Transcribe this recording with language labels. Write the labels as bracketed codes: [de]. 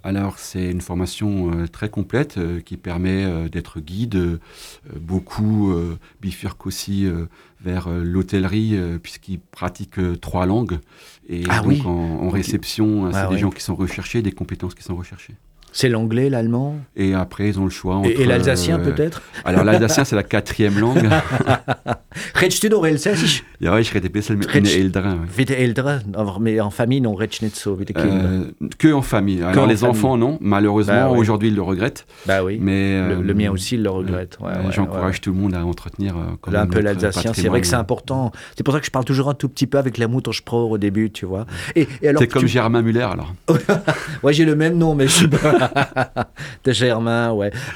[fr] Alors, c'est une formation très complète qui permet d'être guide, beaucoup bifurque aussi vers l'hôtellerie, puisqu'ils pratiquent trois langues. Et ah donc oui. en réception, okay. c'est des gens qui sont recherchés, des compétences qui sont recherchées. C'est l'anglais, l'allemand. Et après, ils ont le choix entre... Et l'alsacien, peut-être. Alors, l'alsacien, c'est la quatrième langue. [de] Rätschst du noch Elsässisch? Ja, ich rede ein bisschen mit den Eltern. Mit den Eltern? [fr] Mais en famille, non, [de] rätschst nicht so mit den Kindern. [fr] Que en famille. Alors, les enfants, non. Malheureusement, bah, oui. aujourd'hui, ils le regrettent. Bah oui, mais, le mien aussi, il le regrette. Ouais, j'encourage tout le monde à entretenir quand même un peu l'alsacien. C'est vrai que c'est important. C'est pour ça que je parle toujours un tout petit peu avec la Muttersprache au début, tu vois. Et alors, c'est comme Germain Müller, alors. Ouais, j'ai le même nom, mais je suis... De Germain, ouais.